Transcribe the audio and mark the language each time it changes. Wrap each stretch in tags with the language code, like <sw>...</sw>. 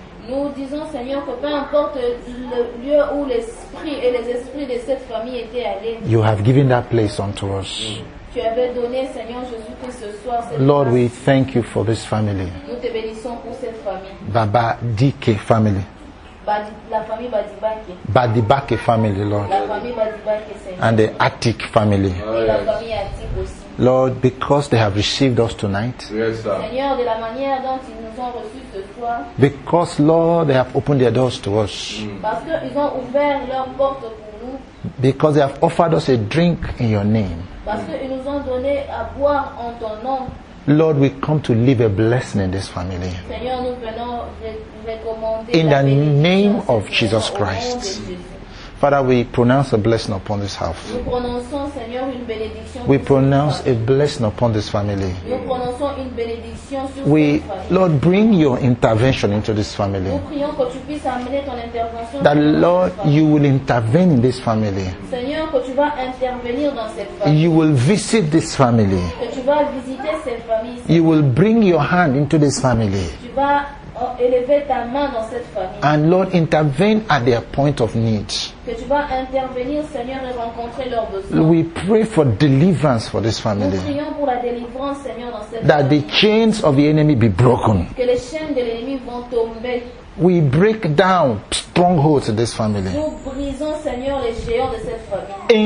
<fr>nous disons, Seigneur, que peu importe le lieu où l'esprit et les esprits de cette famille étaient allés,</fr> <en>you have given that place unto us.</en> <fr>Tu avais donné, Seigneur Jésus, que ce soir,</fr> <en>Lord, place. We thank you for this family.</en> <fr>Nous te bénissons pour cette famille.</fr> <en>Baba Dike family.</en> <fr>La famille Badibake.</fr> <en>Badibake family, Lord.</en> <fr>La famille Badibake, Seigneur.</fr> <en>And the Attic family.</en> <fr>Et la famille Attic aussi.</fr> <en>Lord, because they have received us tonight. Yes, sir.</en> <fr>Seigneur, de la manière dont ils nous ont reçus ce soir.</fr> <en>Because, Lord, they have opened their doors to us. Mm.</en> <fr>Parce que ils ont ouvert leurs portes pour nous.</fr> <en>Because they have offered us a drink in your name.</en> <fr>Parce que ils nous ont donné à boire en ton nom.</fr> <en>Lord, we come to leave a blessing in this family.</en> <fr>Seigneur, nous venons recommander</fr> <en>in the name of Jesus Christ. Father, we pronounce a blessing upon this house.</en> <fr>Nous prononçons, Seigneur, une bénédiction.</fr> <en>We pronounce a blessing upon this family.</en> <fr>Nous prononçons une bénédiction sur</fr> <en>we,</en> <fr>cette famille.</fr> <en>Lord, bring your intervention into this family.</en> <fr>Nous prions que tu puisses amener ton intervention</fr> <en>that, Lord, you will intervene in this family.</en> <fr>Seigneur, que tu vas intervenir dans cette famille.</fr> <en>You will visit this family.</en> <fr>Que tu vas visiter cette famille.</fr> <en>You will bring your hand into this family.</en> <fr>Tu vas élever ta main dans cette famille.</fr> <en>And Lord, intervene at their point of need.</en> <fr>Que tu vas intervenir, Seigneur, et rencontrer leurs besoins.</fr> <en>We pray for deliverance for this family.</en> <fr>Nous prions pour la délivrance, Seigneur, dans cette</fr> <en>that</en> <fr>famille.</fr> <en>The chains of the enemy be broken.</en> <fr>Que les chaînes de l'ennemi vont tomber.</fr> <en>We break down strongholds in this family.</en> <fr>Nous brisons, Seigneur, les géants de cette famille.</fr>